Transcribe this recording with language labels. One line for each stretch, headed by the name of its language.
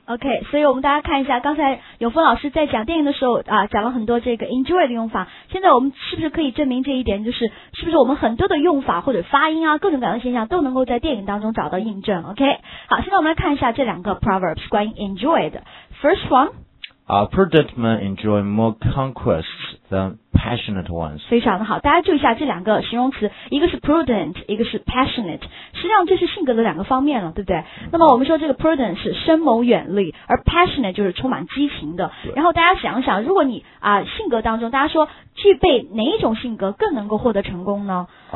Chinese: OK， 所以我们大家看一下刚才永峰老师在讲电影的时候啊，讲了很多这个 enjoy 的用法，现在我们是不是可以证明这一点，就是是不是我们很多的用法或者发音啊，各种各样的现象都能够在电影当中找到印证。 OK， 好，现在我们来看一下这两个 proverbs 关于 enjoy 的。
English: First one prudent men enjoy more conquests than passionate ones，
Chinese: 非常的好，大家注意一下这两个形容词，一个是 prudent， 一个是 passionate， 实际上这是性格的两个方面了，对不对？那么我们说这个 prudent 是深谋远虑，而 passionate 就是充满激情的。然后大家想一想，如果你性格当中，大家说具备哪一种性格更能够获得成功呢？